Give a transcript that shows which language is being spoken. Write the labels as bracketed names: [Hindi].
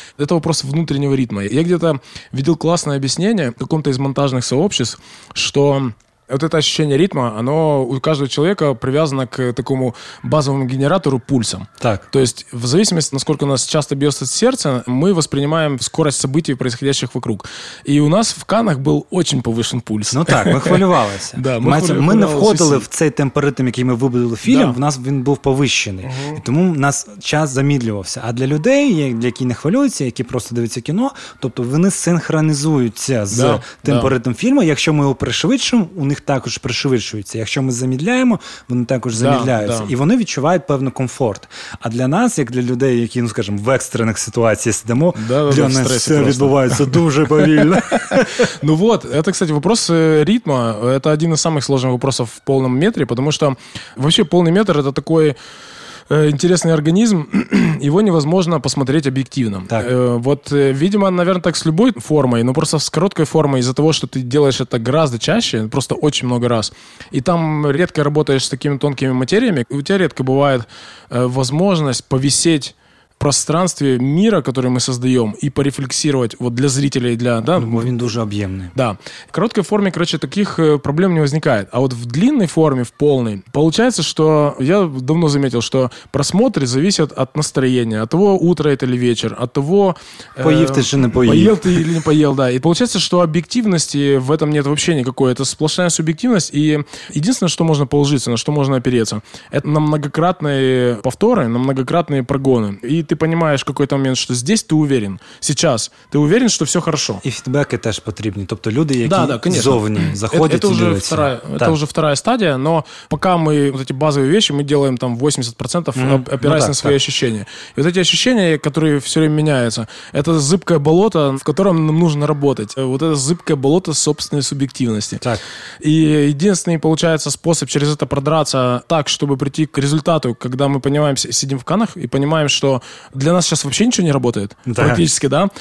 [Russian] Это вопрос внутреннего ритма. Я где-то видел классное объяснение в каком-то из монтажных сообществ, что Вот это ощущение ритма, оно у каждого человека привязано к такому базовому генератору пульса. Так. То есть в зависимости, насколько у нас часто бьется сердце, мы воспринимаем скорость событий, происходящих вокруг. И у нас в Каннах был очень повышен пульс. [Ukrainian] Ну так, ми хвилювалися. [Russian] Да, [Ukrainian] ми не входили в цей темпоритм, який ми вибудували фільм, да. В нас він був повищений. Угу. І тому у нас час замідлювався. А для людей, які не хвилюються, які просто дивляться кіно, тобто вони синхронізуються з темпоритм фільму, якщо ми його пришвидшимо, у них також пришвидшуються. Якщо ми замідляємо, вони також замідляються. Да, да. І вони відчувають певний комфорт. А для нас, як для людей, які, ну, скажімо, в екстрених ситуаціях сидимо, для нас все просто відбувається дуже повільно. Ну от, це, кстати, вопрос ритму. Це один із [Russian] самых сложных вопросов [Ukrainian] в повному метрі, тому що взагалі повний метр – це [Russian] такой интересный организм, его невозможно посмотреть объективно. [Ukrainian] Так. [Russian] Вот, видимо, наверное, так с любой формой, но просто с короткой формой, из-за того, что ты делаешь это гораздо чаще, просто очень много раз, и там редко работаешь с такими тонкими материями, у тебя редко бывает возможность повисеть в пространстве мира, который мы создаем, и порефлексировать вот для зрителей, для... Да? Ну, он дуже объемный. Да. В короткой форме, короче, таких проблем не возникает. А вот в длинной форме, в полной, получается, что я давно заметил, что просмотры зависят от настроения, от того, утро это или вечер, от того... Поел ты же не поел. Поел ты или не поел, да. И получается, что объективности в этом нет вообще никакой. Это сплошная субъективность, и единственное, что можно положиться, на что можно опереться, это на многократные повторы, на многократные прогоны. И ты понимаешь в какой-то момент, что здесь ты уверен, сейчас ты уверен, что все хорошо. И фидбэки тоже потребны. [Ukrainian] Тобто люди, які зовні, заходят, [Russian] это уже дивиться. Это уже вторая стадия, но пока мы вот эти базовые вещи, мы делаем там 80%, опираясь на свои ощущения. И вот эти ощущения, которые все время меняются, это зыбкое болото, в котором нам нужно работать. Вот это зыбкое болото собственной субъективности. Так. И единственный, получается, способ через это продраться так, чтобы прийти к результату, когда мы понимаем, сидим в Каннах и понимаем, что для нас сейчас вообще ничего не работает, практически, да.